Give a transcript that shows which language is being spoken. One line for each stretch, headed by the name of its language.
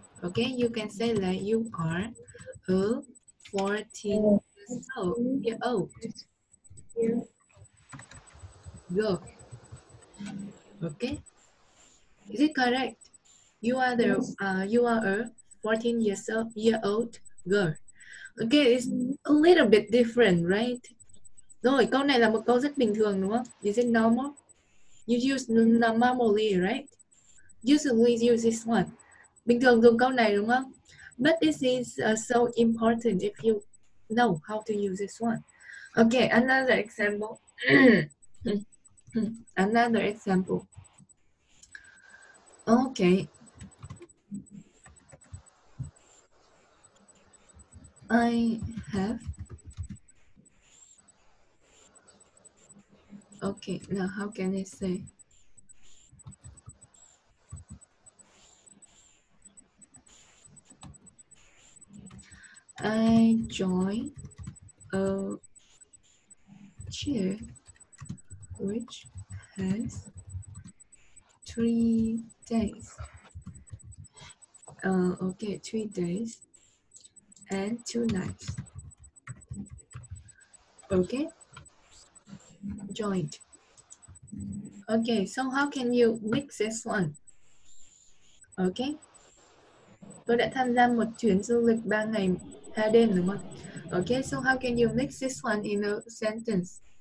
English: Okay, you can say that you are a 14 year old. Go. Okay, is it correct? You are the you are a 14 year old girl. Okay, it's a little bit different, right?
Vietnamese: Rồi, câu này là một câu rất bình thường đúng không?
English: Is it normal? You use normally, right? Usually use this one.
Vietnamese: Bình thường dùng câu này đúng không?
English: But this is so important if you know how to use this one. Okay, another example. Another example. Okay. I have. Okay, now how can I say? I join a cheer which has 3 days. Okay, 3 days and 2 nights. Okay. Joint. Okay, so how can you mix this one? Okay.
Vietnamese: Tôi đã tham gia một chuyến du lịch 3 ngày 2 đêm đúng không?
English: Okay, so how can you mix this one in a sentence?